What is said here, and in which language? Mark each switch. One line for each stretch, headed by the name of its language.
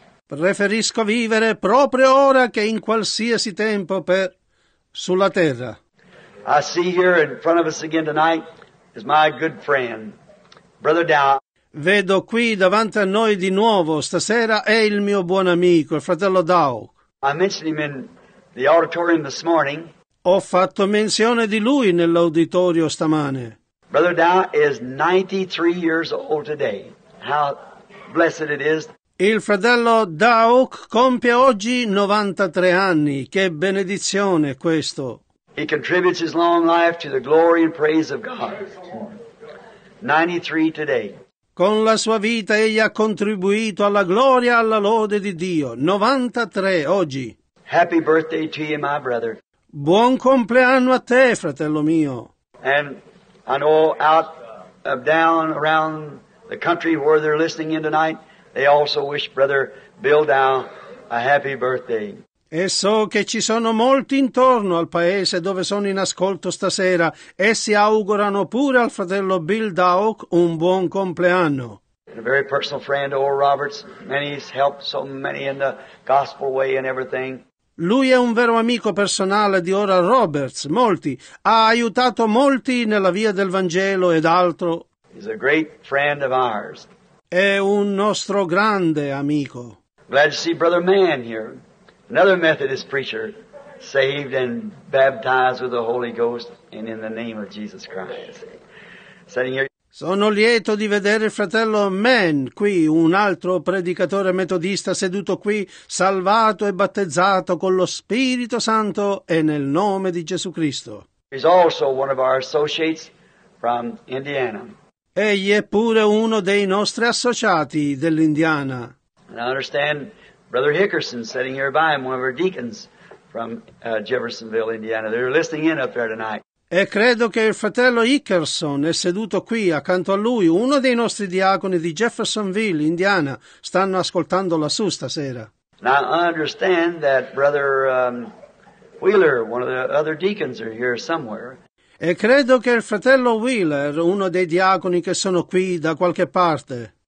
Italian: Preferisco vivere proprio ora che in qualsiasi tempo per sulla terra.
English: I see here in front of us again tonight is my good friend, Brother Dow.
Italian: Vedo qui davanti a noi di nuovo stasera è il mio buon amico, il fratello Dow.
English: I mentioned him in the auditorium this morning.
Italian: Ho fatto menzione di lui nell'auditorio stamane.
English: Brother Dow is 93 years old today. How blessed it is.
Italian: Il fratello Dow compie oggi 93 anni. Che benedizione questo.
English: He contributes his long life to the glory and praise of God. 93 today.
Italian: Con la sua vita egli ha contribuito alla gloria e alla lode di Dio. 93 oggi.
English: Happy birthday to you, my brother.
Italian: Buon compleanno a te, fratello mio.
English: And I know out of down around the country where they're listening in tonight, they also wish Brother Bill Dow a happy birthday.
Italian: E so che ci sono molti intorno al paese dove sono in ascolto stasera. Essi augurano pure al fratello Bill Dow un buon compleanno.
English: And a very personal friend, Oral Roberts. Many he's helped so many in the gospel way and everything.
Italian: Lui è un vero amico personale di Oral Roberts, molti. Ha aiutato molti nella via del Vangelo ed altro.
English: He's a great friend of ours.
Italian: È un nostro grande amico.
English: Glad to see Brother Mann here, another Methodist preacher, saved and baptized with the Holy Ghost and in the name of Jesus Christ. Sitting here.
Italian: Sono lieto di vedere il fratello Mann qui, un altro predicatore metodista seduto qui, salvato e battezzato con lo Spirito Santo e nel nome di Gesù Cristo.
English: He's also one of our associates from Indiana.
Italian: Egli è pure uno dei nostri associati dell'Indiana.
English: And I understand Brother Hickerson sitting here by him, one of our deacons from Jeffersonville, Indiana. They're listening in up there tonight.
Italian: E credo che il fratello Hickerson è seduto qui accanto a lui, uno dei nostri diaconi di Jeffersonville, Indiana, stanno ascoltando lassù stasera.
English: Now I understand that Brother Wheeler, one of the other deacons, are here somewhere.
Italian: E credo che il fratello Wheeler, uno dei diaconi che sono qui da qualche parte.